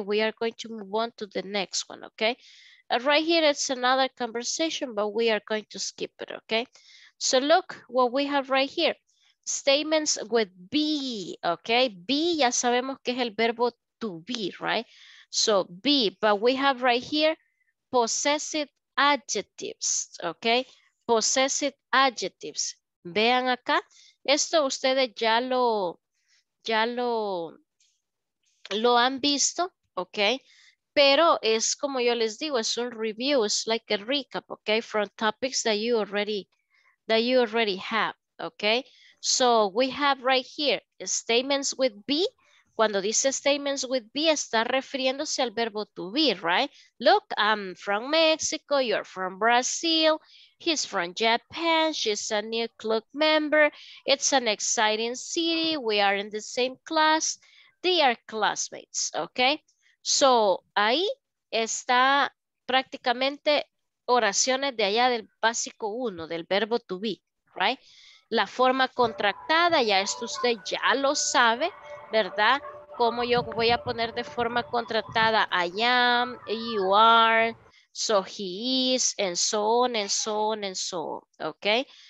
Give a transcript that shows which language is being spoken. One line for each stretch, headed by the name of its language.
English: We are going to move on to the next one, okay? Right here, it's another conversation, but we are going to skip it, okay? So look what we have right here. Statements with be, okay? Be,
Spanish: ya sabemos que es el verbo
English: to be, right? So be, but we have right here, possessive adjectives, okay? Possessive adjectives.
Spanish: Vean acá, esto ustedes ya lo han visto, okay? Pero es como yo les digo, es un review,
English: it's like a recap, okay, from topics that you already have, okay? So we have right here, statements with be.
Spanish: Cuando dice
English: statements with be,
Spanish: está refiriéndose al verbo to be, right?
English: Look, I'm from Mexico, you're from Brazil, he's from Japan, she's a new club member, it's an exciting city, we are in the same class, they are classmates, okay?
Spanish: So, ahí está prácticamente oraciones de allá del básico uno, del verbo to be, right? La forma contractada, ya esto usted ya lo sabe, ¿verdad? Como yo voy a poner de forma contractada,
English: I am, you are, so he is, and so on, and so on, and so on, okay?